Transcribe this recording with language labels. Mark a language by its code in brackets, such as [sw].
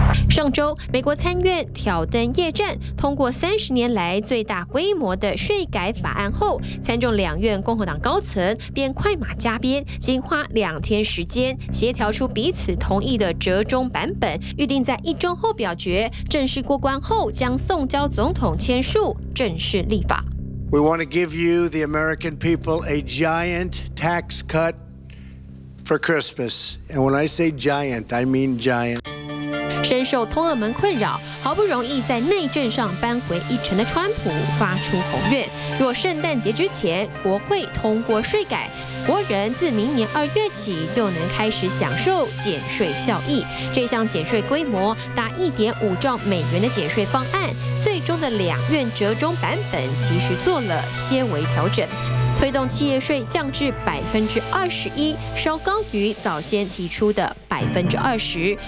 [zh] 上周，美国参院挑灯夜战通过30年来最大规模的税改法案后，参众两院共和党高层便快马加鞭，仅花2天时间协调出彼此同意的折中版本，预定在1周后表决，正式过关后将送交总统签署，正式立法。 [en] We want to give you the American people a giant tax cut for Christmas, and when I say giant, I mean giant. [zh] 深受通俄门困扰，好不容易在内政上扳回一城的川普发出宏愿，若圣诞节之前国会通过税改，国人自明年2月起就能开始享受减税效益。这项减税规模达1.5兆美元的减税方案，最终的两院折中版本其实做了些微调整，推动企业税降至21%，稍高于早先提出的20%。